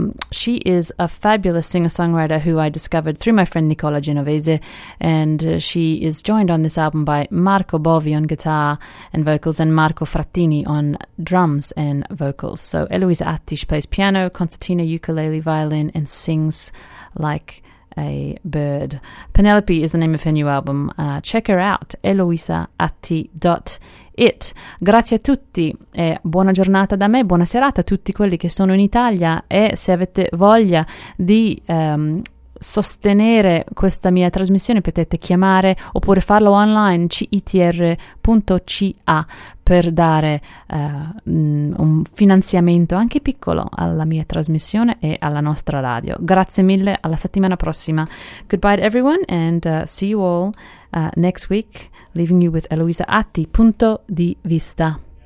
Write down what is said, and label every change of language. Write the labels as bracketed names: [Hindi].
[English] She is a fabulous singer-songwriter who I discovered through my friend Nicola Genovese, and she is joined on this album by Marco Bovi on guitar and vocals and Marco Frattini on drums and vocals. So Eloisa Atti, she plays piano, concertina, ukulele, violin, and sings like a bird. Penelope is the name of her new album. Check her out, eloisaatti.it. [Italian] Grazie a tutti e buona giornata da me, buona serata a tutti quelli che sono in Italia, e se avete voglia di sostenere questa mia trasmissione potete chiamare oppure farlo online, citr.ca, per dare un finanziamento anche piccolo alla mia trasmissione e alla nostra radio. Grazie mille, alla settimana prossima. [English] Goodbye to everyone and see you all next week, leaving you with Eloisa Atti, Punto di Vista.